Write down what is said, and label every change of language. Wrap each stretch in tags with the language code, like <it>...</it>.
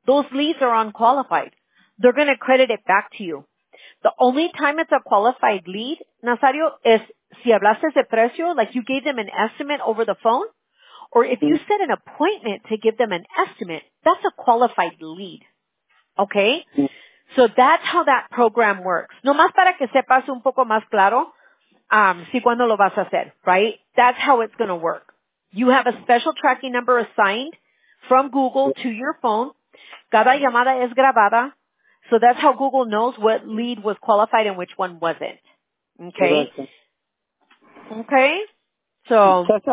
<en>Those leads are unqualified. They're going to credit it back to you. The only time it's a qualified lead, Nazario, is</en> <es>si hablaste de precio,</es> <en>like you gave them an estimate over the phone, or if you set an appointment to give them an estimate, that's a qualified lead. Okay? So that's how that program works.</en> <es>Nomás para que sepas un poco más claro, si cuando lo vas a hacer,</es> <en>right? That's how it's going to work. You have a special tracking number assigned from Google to your phone.</en> <es>Cada llamada es grabada.</es> <en>So that's how Google knows what lead was qualified and which one wasn't. Okay? Okay? So.</en>